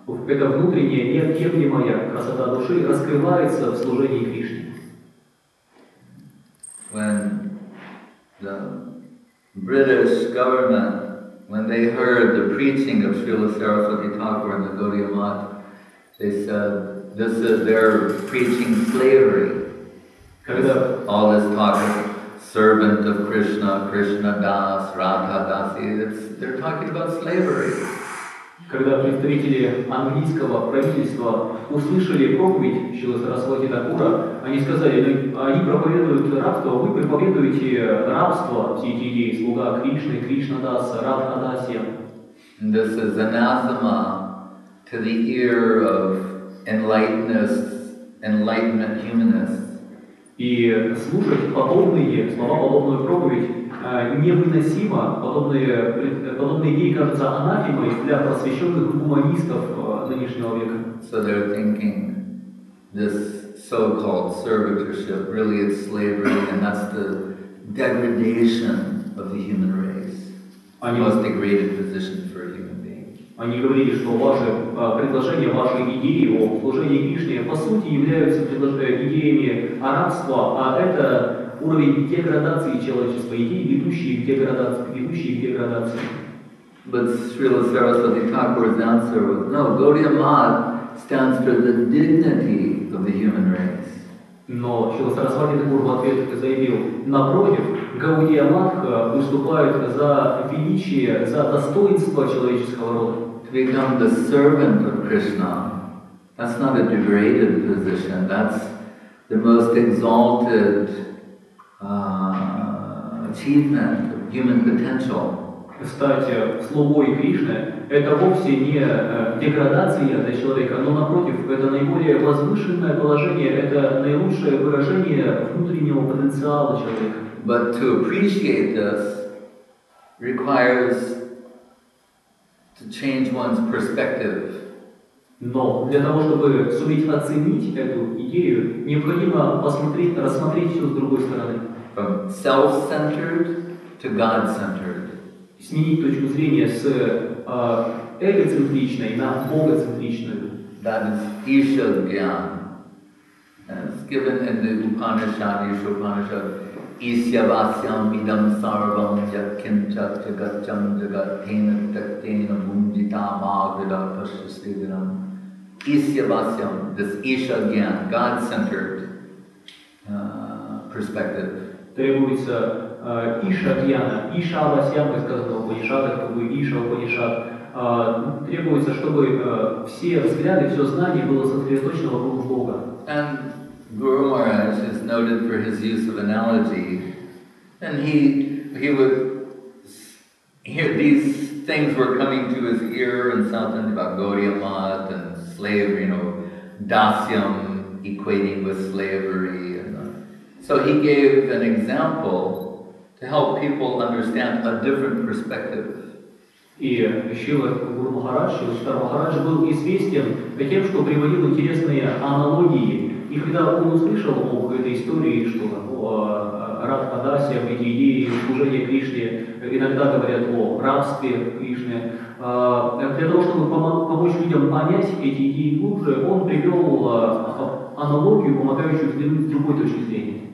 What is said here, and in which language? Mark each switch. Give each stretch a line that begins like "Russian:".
Russian: Эта внутренняя неотъемлемая красота души раскрывается в служении Кришне.
English: When the British government, when they heard the preaching of Srila Saraswati Thakur and the Gaudiya Math, they said, this is their preaching slavery. All this talk of servant of Krishna, Krishna Das, Radha Dasi, they're talking about slavery.
Russian: Когда представители английского правительства услышали проповедь Шрила Сарасвати Такура, они сказали, ну, они проповедуют рабство, вы проповедуете рабство, все эти идеи, слуга Кришны, Кришна Даса, Радха Дасия.
English: This is anathema to the ear of enlightenment humanists.
Russian: И слушать подобные слова, подобную проповедь невыносимо, подобные идеи кажутся анафемой для просвещенных гуманистов нынешнего века.
English: So they're thinking this so-called servitorship really is slavery, and that's the degradation of the human race. The most degraded position for a human being.
Russian: Они говорили, что ваши предложения, ваши идеи о служении Кришне по сути являются идеями рабства, а это уровень деградации человечества, идеи, ведущие к деградации.
English: But Srila Saraswati Thakur's answer was, no, Gaudiya Math stands for the dignity of the human race.
Russian: Но Srila Saraswati Thakur в ответ заявил, напротив, Gaudiya Math выступает за величие, за достоинство человеческого рода.
English: To become the servant of Krishna, that's not a degraded position, that's the most exalted achievement of human potential.
Russian: Стать слугой Кришны — это вовсе не деградация для человека, но напротив, это наиболее возвышенное положение, это наилучшее выражение внутреннего потенциала человека.
English: But to appreciate this requires to change one's perspective.
Russian: Но для того, чтобы суметь оценить эту идею, необходимо посмотреть, рассмотреть все с другой стороны.
English: From self-centered to God-centered.
Russian: Сменить точку зрения с эгоцентричной на богоцентричную.
English: That is Ishad-gyan. It's given in the Upanishad, Ishad-upanishad.
Sanskrit: Isyavasyam idam sarvam jakkincha jagacham jagathenam taktenam mundita magda pashyasidhanam.
English: Isyavasyam, this Isha again, God-centered perspective.
Russian: Требуется Isha Dhyana, Isha Vasyam, как сказано в Упанишадах, как бы Isha Upanishad. Требуется, чтобы все взгляды, все знание было сосредоточено вокруг Бога.
English: And Guru Maharaj is noted for his use of analogy, and he would hear these things were coming to his ear and something about Gaudiya Math and slavery, you know, dasyam equating with slavery. So he gave an example to help people understand a different perspective.
Russian: И Шрила Гуру Махарадж, Шрила Махарадж был известен тем, что приводил интересные аналогии. И когда он услышал об этой истории, что Радха Дасия, об эти идеи служения Кришне, иногда говорят о рабстве Кришне, для того, чтобы помочь людям понять эти идеи глубже, он привел аналогию, помогающую взглянуть с другой точки зрения.